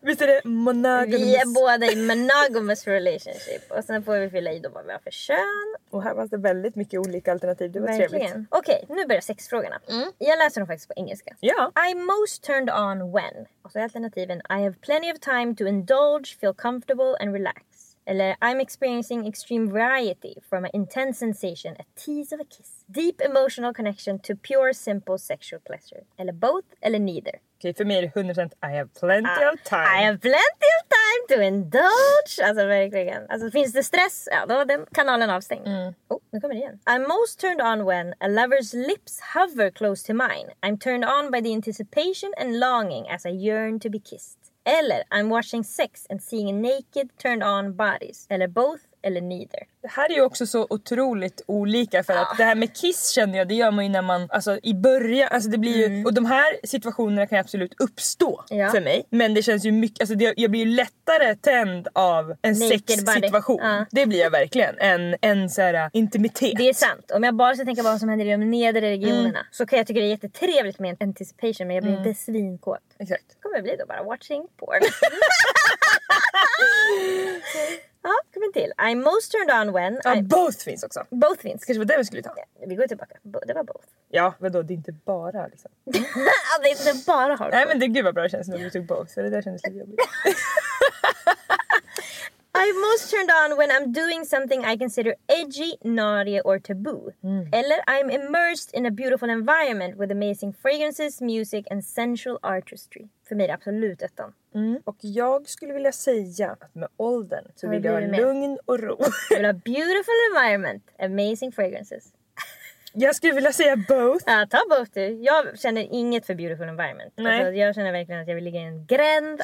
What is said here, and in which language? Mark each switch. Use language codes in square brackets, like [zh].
[sv] Visst är det monogamous? Vi är båda i [en] monogamous relationship. [sv] Och sen får vi fylla i då vad vi har för kön. Och här fanns det väldigt mycket olika alternativ. Det var verkligen trevligt. Okej, nu börjar sexfrågorna. Mm. Jag läser dem faktiskt på engelska. Ja. [en] I'm most turned on when. [sv] Och så är alternativen. [en] I have plenty of time to indulge, feel comfortable and relax. [sv] Eller [en] I'm experiencing extreme variety from an intense sensation, a tease of a kiss. Deep emotional connection to pure simple sexual pleasure. [sv] Eller both eller neither. Okej, för mig är det 100%. [en] I have plenty of time. I have plenty of time to indulge. [sv] Alltså verkligen. Alltså finns det stress? Ja, då var den kanalen avstängd. Mm. Oh, nu kommer det igen. [en] I'm most turned on when a lover's lips hover close to mine. I'm turned on by the anticipation and longing as I yearn to be kissed. [sv] Eller [en] I'm watching sex and seeing naked turned on bodies. [sv] Eller both eller neither. Det här är ju också så otroligt olika. För att det här med kiss känner jag, det gör man ju när man, alltså i början, alltså det blir ju, och de här situationerna kan ju absolut uppstå för mig. Men det känns ju mycket, alltså det, jag blir ju lättare tänd av en sexsituation. Det blir jag verkligen. En såhär intimitet. Det är sant. Om jag bara ska tänka på vad som händer i de nedre regionerna så kan jag tycka det är jättetrevligt med anticipation. Men jag blir inte svinkåt. Exakt. Kommer det bli då bara [en] watching porn. [sv] Ja, kom in till. [en] I'm most turned on when... [sv] Ja, both finns också. Both finns. Kanske var det vi skulle ta. Ja, vi går tillbaka. Det var both. Ja, vadå? Det är inte bara liksom. Ja, det är inte bara hardcore. Nej, men det gud vad bra känns när du tog both. Så det där kändes lite jobbigt. [en] I'm most turned turned on when I'm doing something I consider edgy, naughty, or taboo. Mm. [sv] Eller [en] I'm immersed in a beautiful environment with amazing fragrances, music and sensual artistry. [sv] För mig är det absolut ettan. Mm. Och jag skulle vilja säga att med åldern så vill jag ha lugn och ro. Jag vill ha [en] beautiful environment, amazing fragrances. [sv] Jag skulle vilja säga both. Ja, ta both du. Jag känner inget för [en] beautiful environment. [sv] Nej. Alltså, jag känner verkligen att jag vill ligga i en gränd.